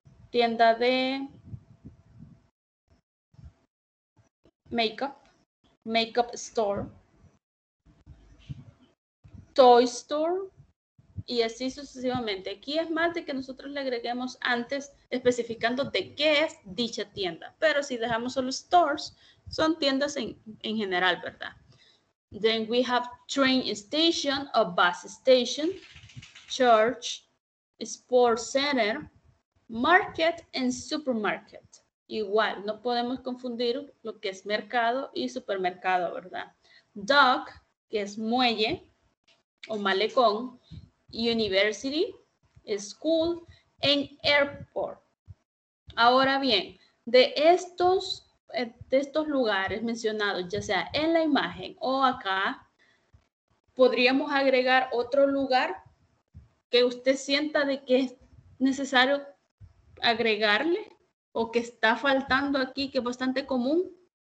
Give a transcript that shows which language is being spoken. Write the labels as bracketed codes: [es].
[es] Tienda de [en] makeup store, toy store, [es] y así sucesivamente. Aquí es más de que nosotros le agreguemos antes especificando de qué es dicha tienda, pero si dejamos solo stores, son tiendas en general, ¿verdad? [en] Then we have train station or bus station, church, sports center, market and supermarket. [es] Igual, no podemos confundir lo que es mercado y supermercado, ¿verdad? Dock, que es muelle o malecón, [en] university, school, and airport. [es] Ahora bien, de estos lugares mencionados, ya sea en la imagen o acá, podríamos agregar otro lugar que usted sienta de que es necesario agregarle o que está faltando aquí, que es bastante común.